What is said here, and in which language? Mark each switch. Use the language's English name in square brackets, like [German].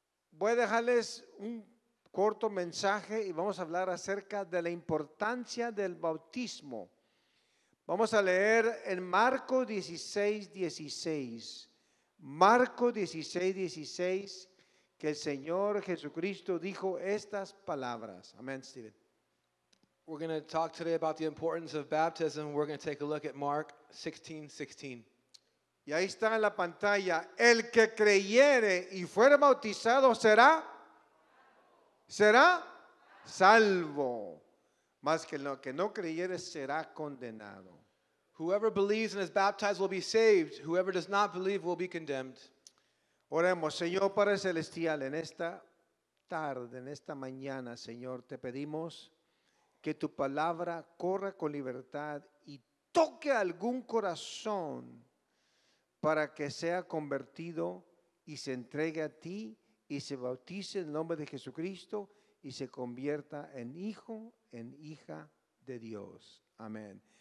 [Spanish] Voy a dejarles un corto mensaje y vamos a hablar acerca de la importancia del bautismo. Vamos a leer en Marcos 16:16. Marcos 16:16, que el Señor Jesucristo dijo estas palabras. Amén, Stephen. [English] We're going to talk today about the importance of baptism. We're going to take a look at Mark 16:16. [Spanish] Y ahí está en la pantalla: el que creyere y fuere bautizado será salvo. Mas que lo que no creyere será condenado. [English] Whoever believes and is baptized will be saved. Whoever does not believe will be condemned. [Spanish] Oremos, Señor Padre Celestial, en esta tarde, en esta mañana, Señor, te pedimos que tu palabra corra con libertad y toque algún corazón para que sea convertido y se entregue a ti y se bautice en el nombre de Jesucristo y se convierta en hijo, en hija de Dios. Amén.